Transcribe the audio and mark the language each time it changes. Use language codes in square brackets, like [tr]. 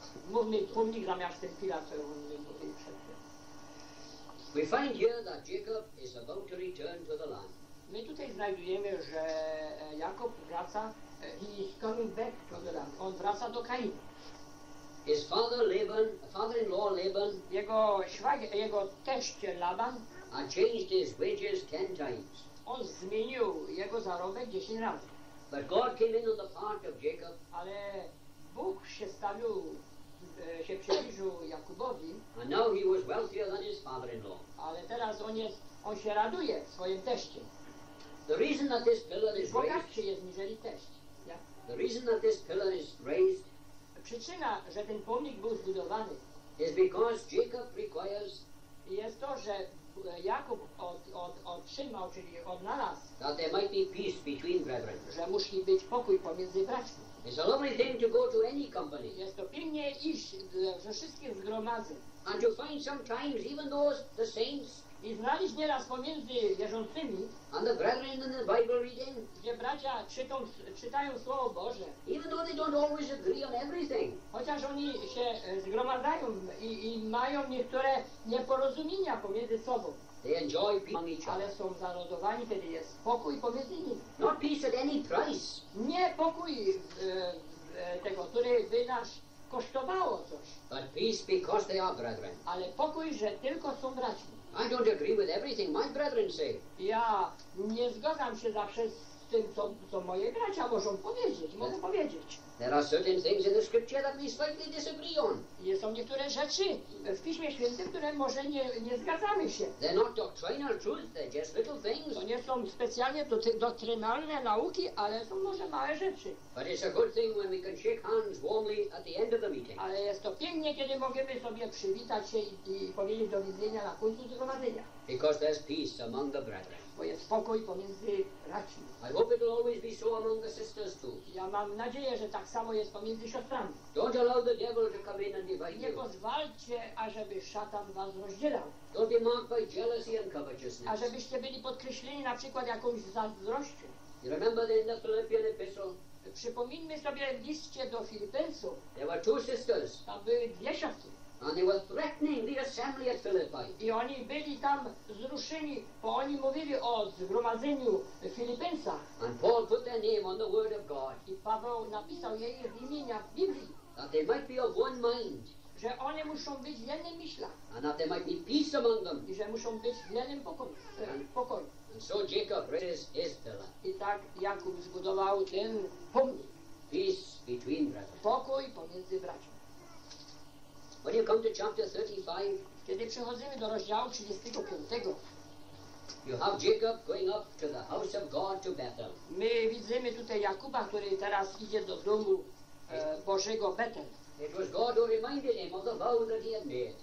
[pl] Mówmy pomnik zamiast ten pilar, co on mówił przedtem. [en] We find here that Jacob is about to return to the land. [pl] My tutaj znajdujemy, że Jakub wraca, [en] he is coming back to the land. [pl] On wraca do Kainu. [en] His father Laban, father-in-law Laban, [pl] jego teść Laban, [en] had changed his wages 10 times. [pl] On zmienił jego zarobek 10 razy. [en] But God came into the heart of Jacob. [pl] Ale Bóg się stawił. Się przybliżył Jakubowi. [en] And now he was wealthier than his father-in-law. [pl] Ale teraz on się raduje swoim teściem. [en] The reason that this pillar is [pl] bogatszy jest niżeli teść. [en] The reason that this pillar is raised. [pl] Przyczyna, że ten pomnik był zbudowany. [en] Is because Jacob requires. [pl] Jest to, że Jakub otrzymał, czyli odnalazł. [en] That there might be peace between brethren. [pl] Że musi być pokój pomiędzy braćmi. [en] It's a lovely thing to go to any company. [pl] Jest to pięknie iść ze wszystkich zgromadzeń. [en] And to find sometimes even those the saints. [pl] I znaleźć nieraz pomiędzy wierzącymi. [en] And the brethren in the Bible reading. [pl] Gdzie bracia czytają Słowo Boże. [en] Even though they don't always agree on everything. [pl] Chociaż oni się zgromadzają i mają niektóre nieporozumienia pomiędzy sobą. [en] They enjoy peace on each other. [pl] Ale są zaradowani, kiedy jest pokój pomiędzy nimi. [en] Not peace at any price. [pl] Nie pokój tego, który by nas kosztowało coś. [en] But peace because they are brethren. [pl] Ale pokój, że tylko są braćmi. [en] I don't agree with everything my brethren say. [pl] Ja nie zgadzam się zawsze z tym, co moje bracia muszą powiedzieć, mogą powiedzieć. [en] There are certain things in the scripture that we slightly disagree on. [pl] Są niektóre rzeczy w Piśmie Świętym, które może nie zgadzamy się. [en] They're not doctrinal truths, they're just little things. [pl] To nie są specjalnie doktrynalne nauki, ale są może małe rzeczy. [en] But it's a good thing when we can shake hands warmly at the end of the meeting. [pl] Ale jest to pięknie, kiedy możemy sobie przywitać się i powiedzieć do widzenia na końcu zgromadzenia. [en] Because there's peace among the brethren. [pl] Bo jest pokój pomiędzy braćmi. [en] I hope it'll always be so among the sisters too. [pl] Ja mam nadzieję, że tak samo jest pomiędzy siostrami. [en] Don't allow the devil to come in and divide you. [pl] Nie pozwalcie, ażeby szatan was rozdzielał. [en] Don't be marked by jealousy and covetousness. [pl] Ażebyście byli podkreśleni na przykład jakąś zazdrością. [en] You remember the end of Philippian epistle? [pl] Przypomnijmy sobie liście do Filipensu. [en] There were two sisters. [pl] Tam były dwie siostry. [en] And they were threatening the assembly at Philippi. [pl] I oni byli tam wzruszeni, bo oni mówili o zgromadzeniu Filipensa. [en] And Paul put their name on the word of God. [pl] I Paweł napisał jej imienia w Biblii. [en] That they might be of one mind. [pl] Że oni muszą być w jednym myślach. [en] And that there might be peace among them. [pl] I że muszą być w jednym pokoju. [en] And so Jacob raised his pillar. [pl] I tak Jakub zbudował ten pomnik. [en] Peace between brothers. [pl] Pokój pomiędzy braćmi. [en] When you come to chapter 35, [pl] kiedy przechodzimy do rozdziału 35, [en] you have Jacob going up to the house of God to Bethel. [pl] My widzimy tutaj Jakuba, który teraz idzie do domu Bożego Bethel. [en] It was God who reminded him of the vow that he had made.